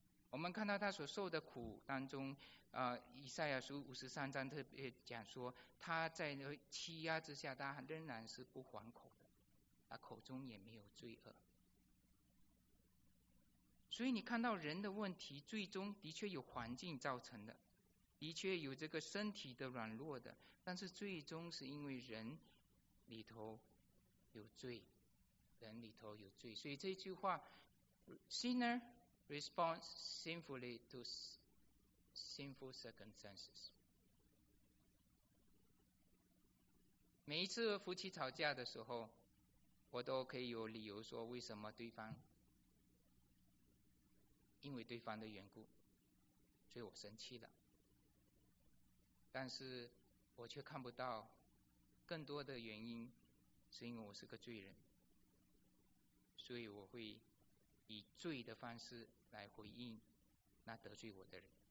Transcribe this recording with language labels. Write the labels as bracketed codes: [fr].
[zh] 我们看到他所受的苦当中，以赛亚书53章特别讲说，他在欺压之下，他仍然是不还口的，他口中也没有罪恶。所以你看到人的问题，最终的确有环境造成的。的确有这个身体的软弱的，但是最终是因为人里头有罪，人里头有罪。所以这句话 [en] Sinner responds sinfully to sinful circumstances。 [zh] 每一次夫妻吵架的时候，我都可以有理由说为什么对方，因为对方的缘故，所以我生气了，但是我却看不到更多的原因，是因为我是个罪人，所以我会以罪的方式来回应那得罪我的人。